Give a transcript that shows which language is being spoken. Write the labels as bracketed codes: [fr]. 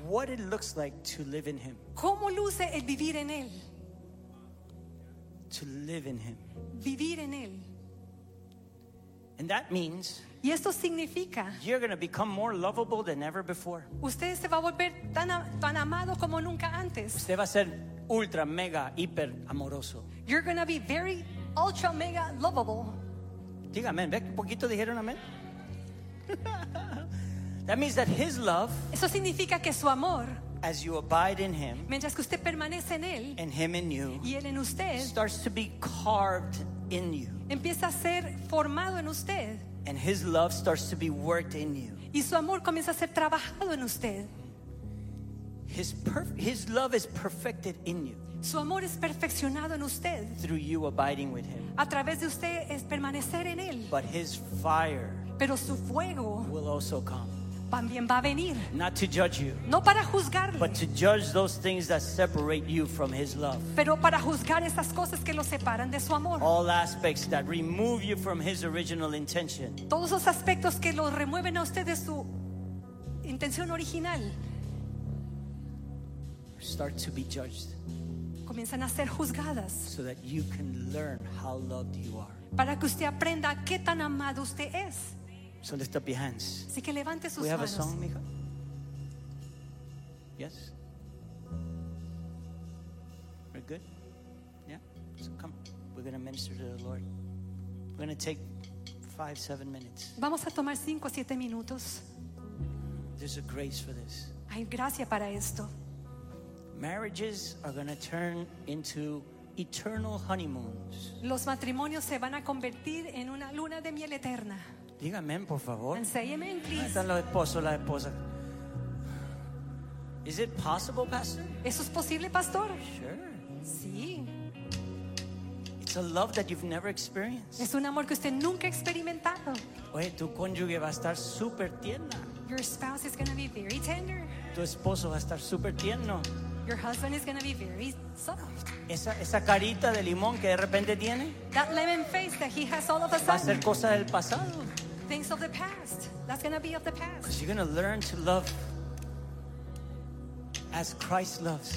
[en] What it looks like to live in him. [es] ¿Cómo luce el vivir en él? [en] To live in him. [es] Vivir en él. [en] And that means, [es] y esto significa, [en] you're going to become more lovable than ever before. [es] Usted se va a volver tan amado como nunca antes. Usted va a ser ultra mega hiper amoroso. [en] You're going to be very ultra mega lovable. [es] Diga amén, ¿ve que poquito dijeron amén? [en] That means that his love, [es] eso significa que su amor, [en] as you abide in him, [es] mientras que usted permanece en él, [en] and him in you, [es] y él en usted, [en] starts to be carved in you. [es] Empieza a ser formado en usted. [en] And his love starts to be worked in you. [es] Y su amor comienza a ser trabajado en usted. [en] His love is perfected in you. [es] Su amor es perfeccionado en usted. [en] Through you abiding with him. [es] A través de usted es permanecer en él. [en] But his fire, [es] pero su fuego, [en] will also come. [es] También va a venir. [en] Not to judge you. [es] No para juzgarle. [en] But to judge those things that separate you from his love. [es] Pero para juzgar esas cosas que lo separan de su amor. [en] All aspects that remove you from his original intention. [es] Todos los aspectos que lo remueven a usted de su intención original. [en] Start to be judged. [es] Comienzan a ser juzgadas. [en] So that you can learn how loved you are. [es] Para que usted aprenda qué tan amado usted es. [en] So lift up your hands. [es] Así que levante sus manos. [en] We have a song, mija. Yes. We're good. Yeah. So come. We're going to minister to the Lord. We're going to take 5-7 minutes. [es] Vamos a tomar 5-7 minutos. [en] There's a grace for this. [es] Hay gracia para esto. [en] Marriages are going to turn into eternal honeymoons. [es] Los matrimonios se van a convertir en una luna de miel eterna. Dígame, por favor. Enséñeme, please. ¿Dónde están los esposos, las esposas? [en] Is it possible, pastor? [es] ¿Eso es posible, pastor? [en] Sure. [es] Sí. [en] It's a love that you've never experienced. [es] Es un amor que usted nunca ha experimentado. Oye, tu cónyuge va a estar super tierna. [en] Your spouse is going to be very tender. [es] Tu esposo va a estar super tierno. [en] Your husband is going to be very soft. [es] Esa carita de limón que de repente tiene. [en] That lemon face that he has all of a sudden. [es] Va a ser cosa del pasado. [en] Things of the past. That's going to be of the past. Because you're going to learn to love as Christ loves.